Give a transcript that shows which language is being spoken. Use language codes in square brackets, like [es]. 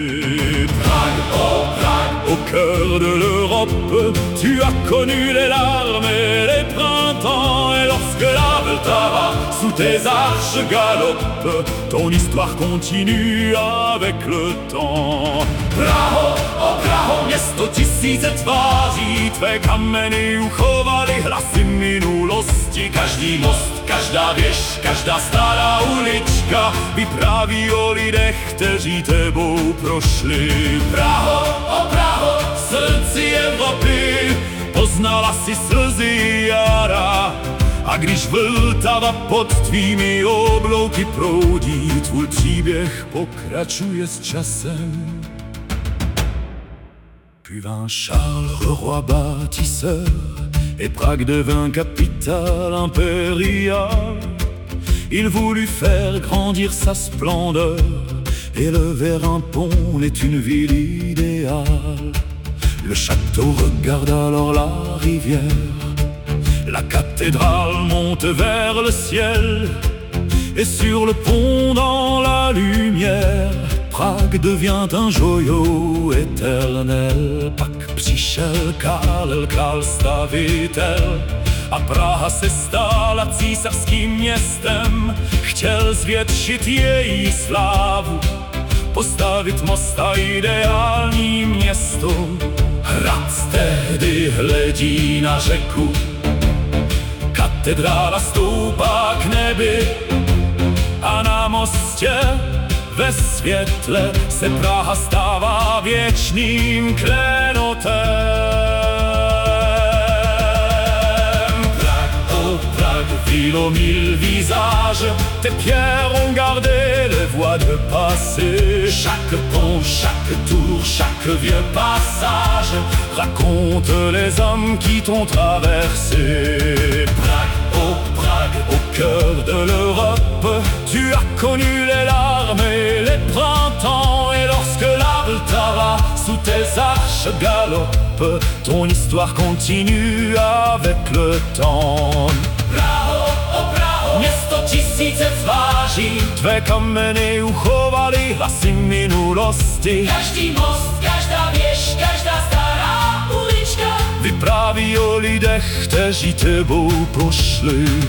[fr] Prague, oh Prague, au cœur de l'Europe, tu as connu les larmes et les printemps. Et lorsque la Vltava sous tes arches galope, ton histoire continue avec le temps. [cs] Praho, oh Praho, město tisíce tváří, tvé kameny uchovaly hlasy minulosti. Každý most, každá věž, každá stará ulička vypráví o lidech, kteří tebou prošli. Praho, oh Praho, v srdci Evropy poznala si slzy jara. A když Vltava pod tvými oblouky proudí, tvůj příběh pokračuje s časem. [fr] Puis vint Charles, roi bâtisseur, et Prague devint capitale impériale. Il voulut faire grandir sa splendeur, élever un pont est une ville idéale. Le château regarde alors la rivière, la cathédrale monte vers le ciel, et sur le pont dans la lumière, Prague devient un joyau éternel. [cs] Pak přišel Karel, král stavitel, a Praha se stala císařským městem. Chtěl zvětšit její slávu, postavit most a ideální město. Hrad tehdy hledí na řeku, katedrála stoupá k nebi, a na mostě ve světle se Praha stává věčným klenotem. [fr] Prague, oh Prague, ville aux mille visages, tes pierres ont gardé les voies de passé. Chaque pont, chaque tour, chaque vieux passage raconte les hommes qui t'ont traversé. Prague, oh Prague, au cœur de l'Europe, tu as connu les larmes et les printemps. Et lorsque la Vltava sous tes arches galope, ton histoire continue avec le temps. [cs] Praho, oh Praho, město tisíce tváří, tvé kameny uchovaly hlasy minulosti. Každý most, každá věž, každá stará ulička vypráví o lidech, kteří tebou prošli.